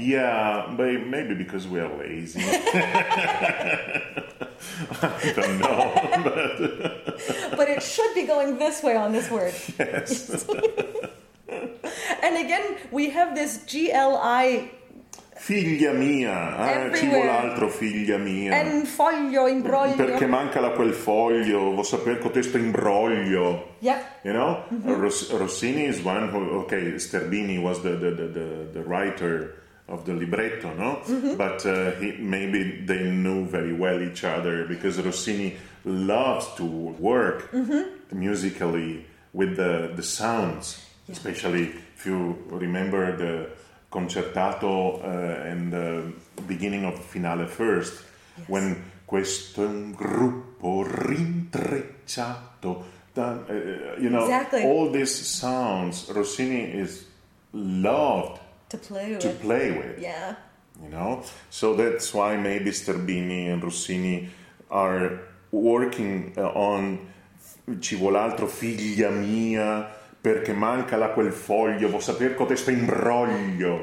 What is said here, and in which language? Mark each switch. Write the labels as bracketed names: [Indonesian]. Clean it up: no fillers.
[English] Yeah, but maybe because we are lazy. I don't know. But, but it should be going this way on this word. Yes. And again, we have this G-L-I... [Italian] Figlia mia, ci vuole altro figlia mia. En foglio, imbroglio. Perché manca la quel foglio, vuol sapere che questo imbroglio. [English] Yeah. You know, mm-hmm. Rossini is one who, okay, Sterbini was the writer of the libretto, no? Mm-hmm. But maybe they knew very well each other because Rossini loves to work mm-hmm. musically with the sounds, yeah. especially if you remember the... concertato and the beginning of finale first, yes. when [Italian] questo gruppo rintrecciato, [English] you know, exactly. all these sounds Rossini is loved to play with. Yeah. You know, so that's why maybe Sterbini and Rossini are working on [Italian] ci vuol altro figlia mia. Perché manca là quel foglio, vuol sapere che questo imbroglio.